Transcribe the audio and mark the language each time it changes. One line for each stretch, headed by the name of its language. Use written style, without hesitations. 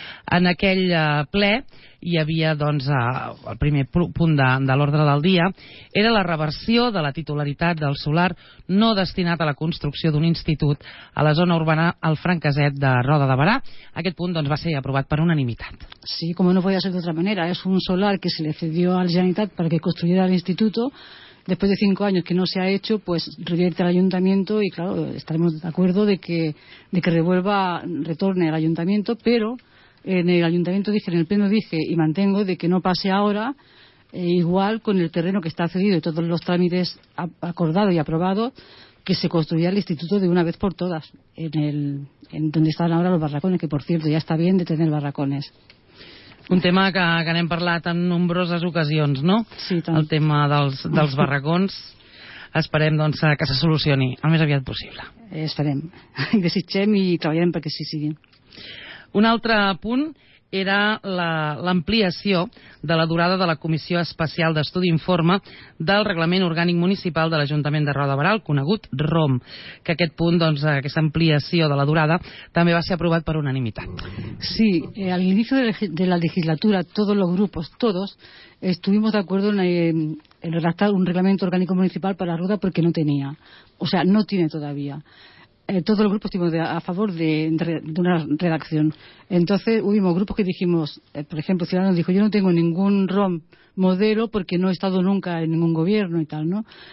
Catalan: En aquell ple hi havia, doncs, el primer punt de l'ordre del dia, era la reversió de la titularitat del solar no destinat a la construcció d'un institut a la zona urbana al Francaset de Roda de Barà. Aquest punt, doncs, va ser aprovat per unanimitat. Sí, com no podia ser d'altra manera. És un solar que
Spanish: se le cedió a la Generalitat
Catalan: perquè
Spanish: construyera
Catalan: l'institut.
Spanish: Después de 5 años que no se ha hecho, pues revierte al ayuntamiento y, claro, estaremos de acuerdo de que retorne al ayuntamiento, pero en el ayuntamiento dije, en el pleno dije y mantengo de que no pase ahora, igual con el terreno que está cedido y todos los trámites acordados y aprobados, que se construya el instituto de una vez por todas en donde están ahora los barracones, que por cierto ya está bien de tener barracones.
Catalan: Un tema que n'hem parlat en nombroses ocasions, no? Sí, tant. El tema dels barracons. Esperem, doncs, que se solucioni el més aviat possible. Esperem. Desitgem i treballem perquè sí sigui. Un altre punt era l'ampliació de la durada de la Comissió Especial d'Estudi i Informe del Reglament Orgànic Municipal de l'Ajuntament de Roda Baral, conegut ROM. Que aquest punt, doncs, aquesta ampliació de la durada, també va ser aprovat per unanimitat.
Spanish: Sí, al inicio de la legislatura, todos los grupos, todos, estuvimos de acuerdo en redactar un reglamento orgánico municipal para Roda porque no tenía. O sea, no tiene todavía. Todos los grupos estuvimos a favor de una redacción. Entonces hubo grupos que dijimos, por ejemplo, Ciudadanos dijo, yo no tengo ningún ROM modelo porque no he estado nunca en ningún gobierno y tal, ¿no?